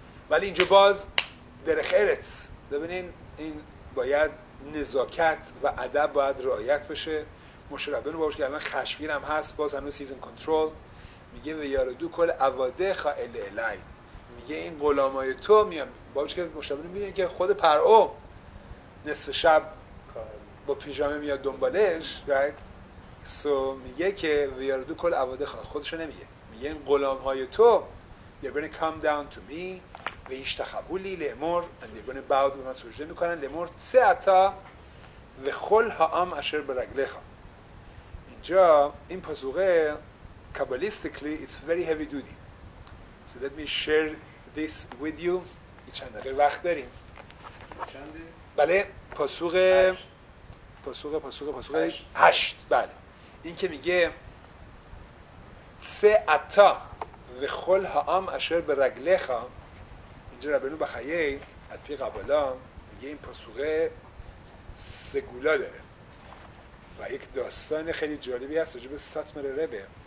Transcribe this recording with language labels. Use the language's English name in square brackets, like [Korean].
[Persian] ولی اینجا باز درخ ارتس ببینین این باید نزاکت و ادب باید رعایت بشه، مشربنو باشه که الان خشمگین هم هست باز هنوز سیزن کنترل، میگه و یارو دو کل عواده خائل الی، میگه این غلامای تو میام بابش که مشابهه میدونی که خود پرعو نصف شب با پیژامه میاد دنبالش، رایت سو میگه که وی آر دو کل عواده خودش رو نمیگه، میگه این غلام های تو [English] they're going to come down to me [Persian] و ایش تخبولی لیمور [English] and they're going to bow [Persian] به من سجده میکنن لیمور سه اتا و خل ها ام اشر برگله خواه. اینجا این پاسوغه کابالیستیکلی [English] it's very heavy duty, so let me share this with you. [Persian] یه چند دقیقه وقت داریم؟ چنده؟ بله پاسوغه پاسوغه پاسوغه پاسوغه هشت. بله این که میگه سه اتا و خل ها ام اشر برگله خواه، اینجا ربنو بخیه از پی قبلا میگه این پاسوغه سگولا داره و یک داستان خیلی جالبی هست راجب ساتمر ربه.